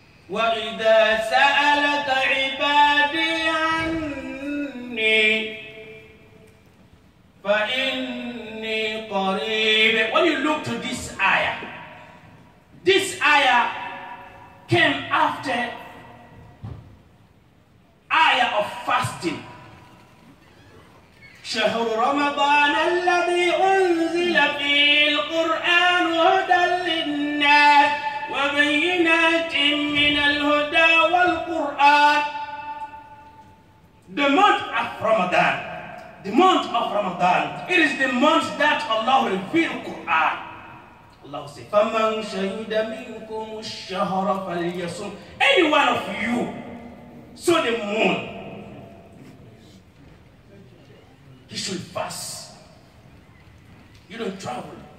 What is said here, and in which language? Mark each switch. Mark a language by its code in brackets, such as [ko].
[ar] وَإِذَا سَأَلَكَ عِبَادِي عَنِّي فَإِنِّي قَرِيبٌ. [en] When you look to this ayah came after ayah of fasting. [ar] شهر رمضان الذي أنزل فيه القرآن هدى للناس وبينات من الهدى والقرآن. [en] The month of Ramadan. The month of Ramadan, it is the month that Allah revealed Quran. Allah said, [ar] فَمَنْ شَهِدَ مِنْكُمُ الشَّهْرَ فَلْيَصُمْ. [en] Any one of you saw the moon, he should fast. You don't travel.